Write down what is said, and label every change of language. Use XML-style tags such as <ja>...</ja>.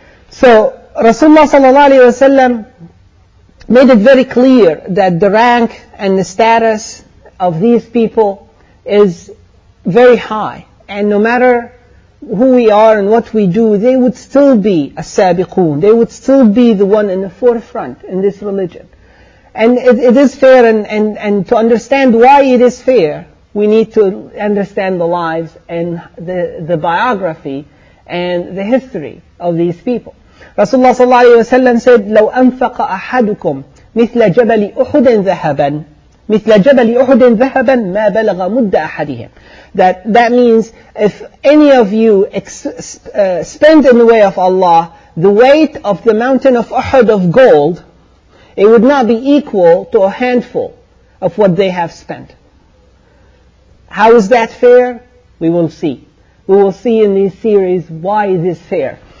<en>So Rasulullah sallallahu alayhi wa sallam made it very clear that the rank and the status of these people is very high, and no matter who we are and what we do, they would still be as-sabiqoon. They would still be the one in the forefront in this religion. And it is fair, and to understand why it is fair, we need to understand the lives and the biography and the history of these people. Rasulullah sallallahu alayhi wa sallam said,</en> <ar>"لو أنفق أحدكم مثل جبل أحد ذهبا مثل جبل أحد ذهبا ما بلغ مد أحدهم."</ar> <en>That means if any of you spend in the way of Allah the weight of the mountain of Uhud of gold, it would not be equal to a handful of what they have spent. How is that fair? We will see. We will see in this series why it is fair.</en>